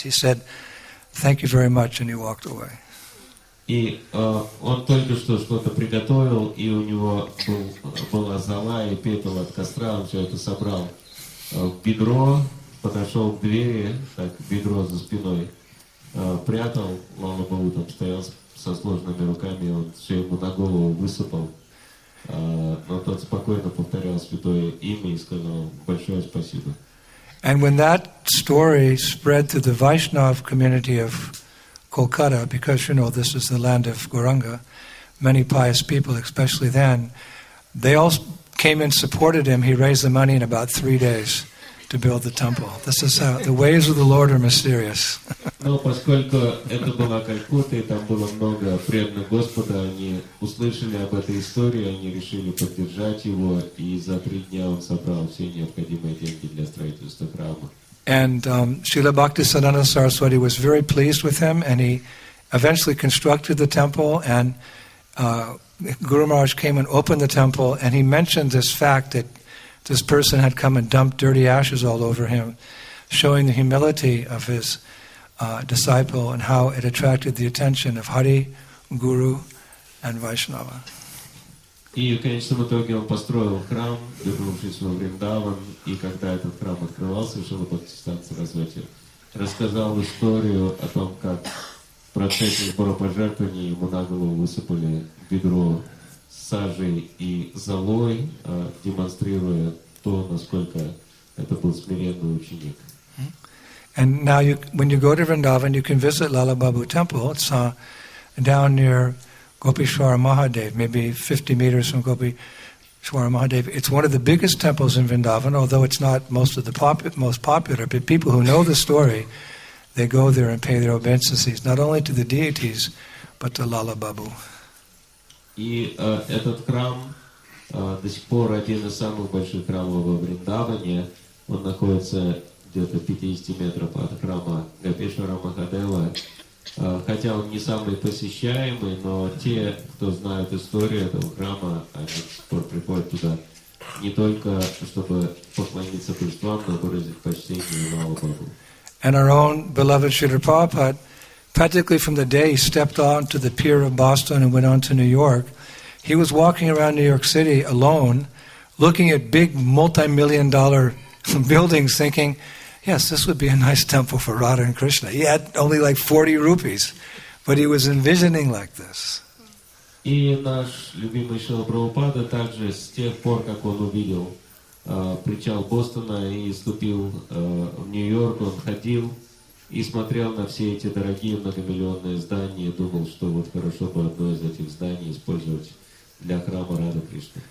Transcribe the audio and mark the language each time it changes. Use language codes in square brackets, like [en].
[en] He said, thank you very much, and he walked away. [ru] И он только что что-то приготовил, и у него была зола и пепел от костра, он все это собрал в бедро, подошел к двери, так, бедро за спиной, прятал, Лала Бабу там стоял со сложными руками, он все ему на голову высыпал, но тот спокойно повторял святое имя и сказал большое спасибо. [en] And when that story spread to the Vaishnav community of Kolkata, because, you know, this is the land of Gauranga, many pious people, especially then, they all came and supported him. He raised the money in about 3 days to build the temple. This is how the ways of the Lord are mysterious. [ru] Но поскольку это была Калькутта, и там было много преданных Господа, они услышали об этой истории, они решили поддержать его, и за 3 дня он собрал все необходимые деньги для строительства храма. [en] And Srila Bhaktisiddhanta Saraswati was very pleased with him, and he eventually constructed the temple, and Guru Maharaj came and opened the temple, and he mentioned this fact that this person had come and dumped dirty ashes all over him, showing the humility of his disciple and how it attracted the attention of Hari, Guru, and Vaishnava. [ru] И в конечном итоге он построил храм, вернувшись во Вриндаван, и когда этот храм открывался, Шрила Бхактисиддханта Сарасвати рассказал историю о том, как в процессе сбора пожертвований ему на голову высыпали бедро сажей и золой, демонстрируя то, насколько это был смиренный ученик. [en] And now you, when you go to Vrindavan, you can visit Lala Babu temple. It's down near Gopeshwara Mahadev, maybe 50 meters from Gopeshwara Mahadev. It's one of the biggest temples in Vrindavan, although it's not most of the most popular. But people who know the story, they go there and pay their obeisances, not only to the deities, but to Lala Babu. [ru] И этот храм до сих пор один из самых больших храмов во Вриндаване. Он находится где-то 50 метров от храма Гопешвара Махадева. Хотя он не самый посещаемый, но те, кто знают историю этого храма, они до сих пор приходят туда не только чтобы поклониться Божествам, но выразить почтение Лала Бабу. [en] And our own beloved Śrīla Prabhupāda, practically from the day he stepped onto the pier of Boston and went on to New York, he was walking around New York City alone, looking at big multi-million dollar buildings, thinking, yes, this would be a nice temple for Radha and Krishna. He had only like 40 rupees, but he was envisioning like this. [ru] И наш любимый Шрила Прабхупада также с тех пор, как он увидел причал Бостона и ступил в Нью-Йорк, он ходил и смотрел на все эти дорогие многомиллионные здания и думал, что вот хорошо бы одно из этих зданий использовать для храма Радха Кришны.